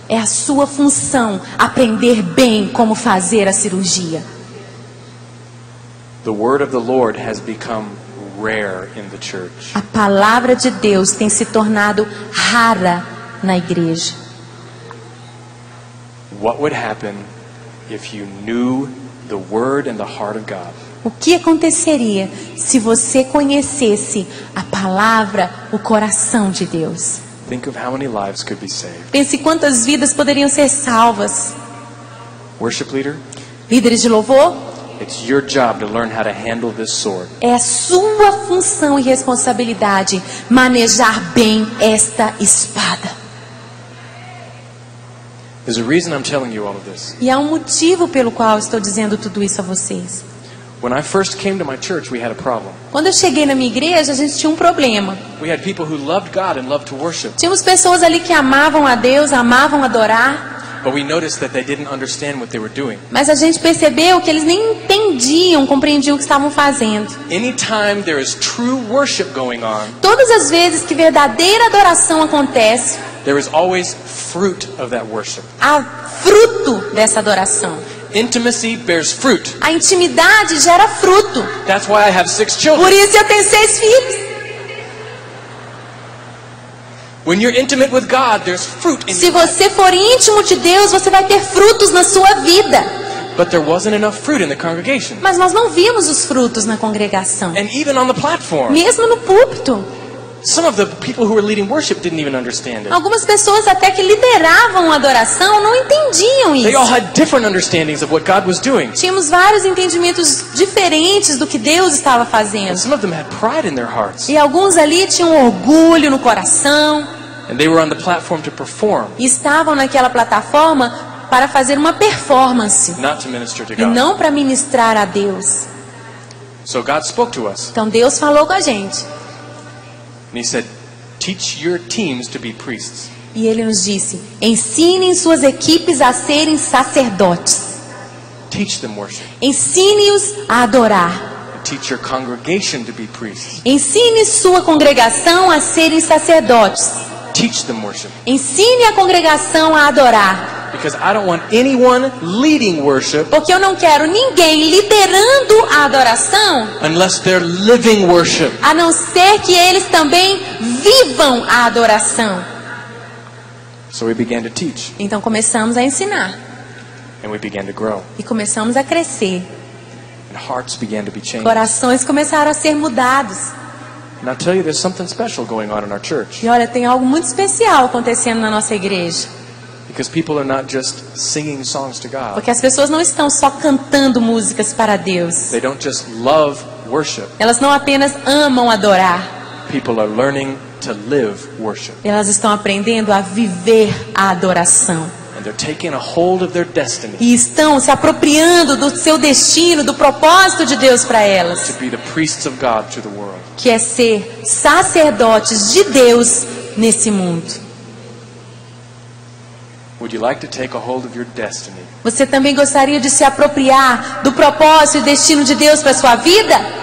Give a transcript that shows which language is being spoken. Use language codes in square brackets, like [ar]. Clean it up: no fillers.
[pt] É a sua função aprender bem como fazer a cirurgia. [en] The word of the Lord has become rare in the church. [pt] A palavra de Deus tem se tornado rara na igreja. [en] What would happen if you knew the word and the heart of God? [pt] O que aconteceria se você conhecesse a palavra, o coração de Deus? [en] Think of how many lives could be saved. [pt] Pense quantas vidas poderiam ser salvas. [en] Worship leader? [pt] Líderes de louvor? [en] It's your job to learn how to handle this sword. [pt] É sua função e responsabilidade manejar bem esta espada. [en] There's a reason I'm telling you all of this. [pt] E há um motivo pelo qual estou dizendo tudo isso a vocês. [en] When I first came to my church, we had a problem. [pt] Quando eu cheguei na minha igreja, a gente tinha um problema. [en] We had people who loved God and loved to worship. [pt] Tínhamos pessoas ali que amavam a Deus, amavam adorar. [en] But we noticed that they didn't understand what they were doing. [pt] Mas a gente percebeu que eles nem entendiam, compreendiam o que estavam fazendo. [en] Anytime there is true worship going on, [pt] todas as vezes que verdadeira adoração acontece, [en] there is always fruit of that worship. [pt] Há fruto dessa adoração. [en] Intimacy bears fruit. [pt] A intimidade gera fruto. [en] That's why I have six children. [pt] Por isso eu tenho seis filhos. [en] When you're intimate with God, there's fruit in [pt] se você for íntimo de Deus, você vai ter frutos na sua vida. [en] But there wasn't enough fruit in the congregation. [pt] Mas nós não vimos os frutos na congregação. [en] And even on the platform. [pt] Mesmo no púlpito. [en] Some of the people who were leading worship didn't even understand it. [pt] Algumas pessoas até que lideravam a adoração não entendiam isso. [en] They all had different understandings of what God was doing. [pt] Tínhamos vários entendimentos diferentes do que Deus estava fazendo. [en] And some of them had pride in their hearts. [pt] E alguns ali tinham orgulho no coração. [en] And they were on the platform to perform. [pt] E estavam naquela plataforma para fazer uma performance. [en] Not to minister to God. [pt] E não para ministrar a Deus. [en] So God spoke to us. [pt] Então Deus falou com a gente. [en] And he said, "Teach your teams to be priests." [pt] E ele nos disse, ensinem suas equipes a serem sacerdotes. [en] Teach them worship. [pt] Ensine-os a adorar. [en] Teach your congregation to be priests. [pt] Ensine sua congregação a serem sacerdotes. [en] Teach them worship. [pt] Ensine a congregação a adorar. [en] Because I don't want anyone leading worship. [pt] Porque eu não quero ninguém liderando a adoração. [en] Unless they're living worship. [pt] A não ser que eles também vivam a adoração. [en] So we began to teach. [pt] Então começamos a ensinar. [en] And we began to grow. [pt] E começamos a crescer. [en] And hearts began to be changed. [pt] Corações começaram a ser mudados. [en] And I'll tell you, there's something special going on in our church. [pt] E olha, tem algo muito especial acontecendo na nossa igreja. [en] Because people are not just singing songs to God. [pt] Porque as pessoas não estão só cantando músicas para Deus. [en] They don't just love worship. [pt] Elas não apenas amam adorar. [en] People are learning to live worship. [pt] Elas estão aprendendo a viver a adoração. [en] And they're taking a hold of their destiny. [pt] E estão se apropriando do seu destino, do propósito de Deus para elas. [en] To be the priests of God to the world. [pt] Que é ser sacerdotes de Deus nesse mundo. [en] Would you like to take a hold of your destiny? [pt] Você também gostaria de se apropriar do propósito e destino de Deus para sua vida?